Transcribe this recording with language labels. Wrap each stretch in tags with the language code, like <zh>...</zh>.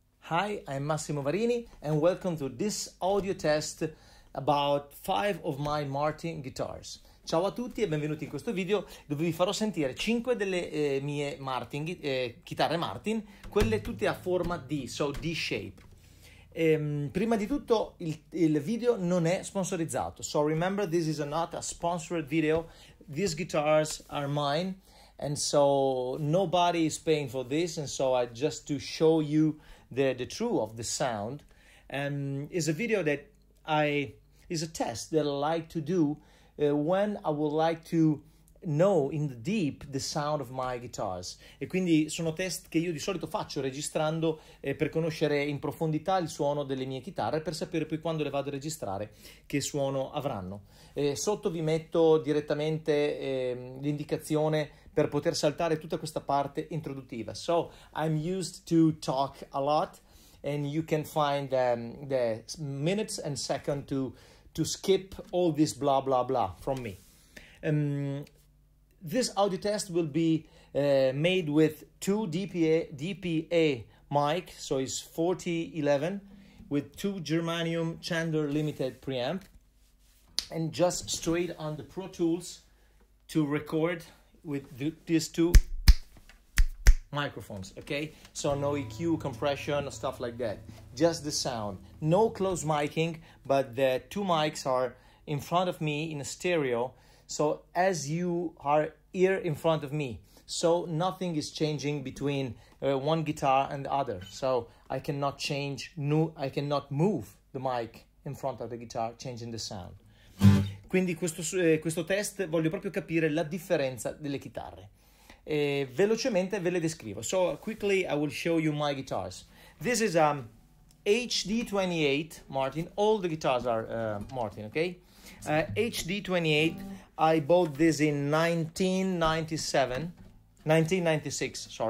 <en>Hi, I'm Massimo Varini, and welcome to this audio test about 5 of my Martin guitars.</en> <it>Ciao a tutti e benvenuti in questo video dove vi farò sentire 5 delle mie Martin, chitarre Martin, quelle tutte a forma D,</it> <en>so D-shape.</en> <it>Prima di tutto, il video non è sponsorizzato,</it> <en>so remember this is not a sponsored video, these guitars are mine, and so nobody is paying for this, and so I just to show you the true of the sound, and is a video that I is a test that I like to do when I would like to know in the deep the sound of my guitars.</en> <it>E quindi sono test che io di solito faccio registrando per conoscere in profondità il suono delle mie chitarre, per sapere poi quando le vado a registrare che suono avranno. Sotto vi metto direttamente l'indicazione per poter saltare tutta questa parte introduttiva.</it> <en>So I'm used to talk a lot, and you can find the minutes and second to skip all this blah blah blah from me. This audio test will be made with two DPA mic, so it's 4011 with two Germanium Chandler Limited preamp, and just straight on the Pro Tools to record with these two microphones, okay? So no EQ, compression, stuff like that. Just the sound. No close miking, but the two mics are in front of me in a stereo. So as you are here in front of me, so nothing is changing between one guitar and the other. So I cannot change, I cannot move the mic in front of the guitar, changing the sound.</en> <it>Quindi questo test voglio proprio capire la differenza delle chitarre. E velocemente ve le descrivo.</it> <en>So quickly I will show you my guitars. This is a HD28 Martin. All the guitars are Martin, okay? HD28, I bought this in 1996.</en>